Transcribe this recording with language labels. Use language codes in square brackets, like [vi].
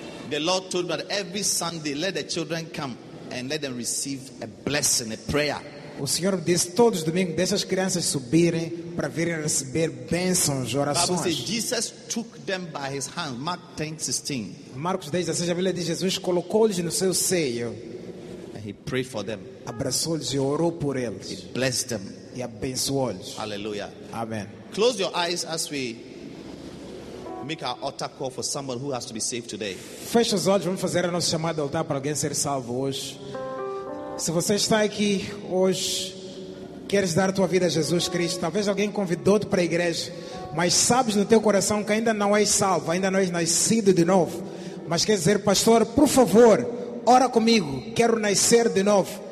[en] The Lord told me that every Sunday, let the children come and let them receive a blessing, a prayer. [pt] O Senhor disse todos os domingos, deixa as crianças subirem para virem receber bênçãos, orações. [en] The Bible says Jesus took them by his hand. Mark 10:16. [pt] Marcos 10:16, a Bíblia diz Jesus colocou-lhes no seu seio. [en] And he prayed for them. [pt] Abraçou-lhes e orou por eles. [en] He blessed them. [pt] E abençoou-lhes. [en] Hallelujah. Amen. Close your eyes as we make our altar call for someone who has to be saved today. [pt] Feche os olhos, vamos fazer a nossa chamada de altar para alguém ser salvo hoje. Se você está aqui hoje, queres dar a tua vida a Jesus Cristo, talvez alguém convidou-te para a igreja, mas sabes no teu coração que ainda não és salvo, ainda não és nascido de novo, mas quer dizer, pastor, por favor, ora comigo, quero nascer de novo.